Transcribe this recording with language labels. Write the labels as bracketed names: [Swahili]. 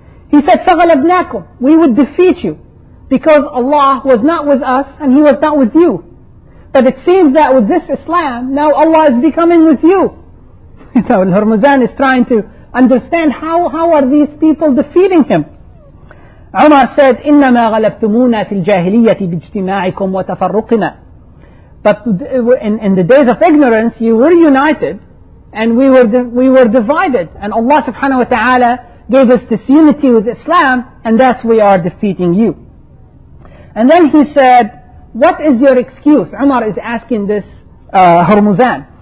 [English] He said, [Arabic] فَغَلَبْنَاكُمْ, [English] we would defeat you, because Allah was not with us and He was not with you. But it seems that with this Islam, now Allah is becoming with you. Now Al-Hurmuzan is trying to understand how are these people defeating him. Umar said, [Arabic] إِنَّمَا غَلَبْتُمُونَا فِي الْجَاهِلِيَّةِ بِاجْتِمَاعِكُمْ وَتَفَرُّقِنَا. [English] But in the days of ignorance, you were united and we were divided. And Allah subhanahu wa ta'ala gave us this unity with Islam, and that's we are defeating you. And then he said, what is your excuse? Umar is asking this Hormuzan.